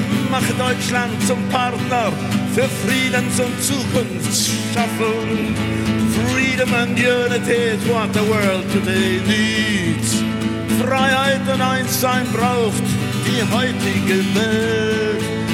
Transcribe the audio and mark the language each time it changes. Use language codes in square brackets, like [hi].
[de] Mache Deutschland zum Partner für Friedens- und Zukunftsschaffung. [en] Freedom and unity is what the world today needs. [de] Freiheit und Einssein braucht die heutige Welt.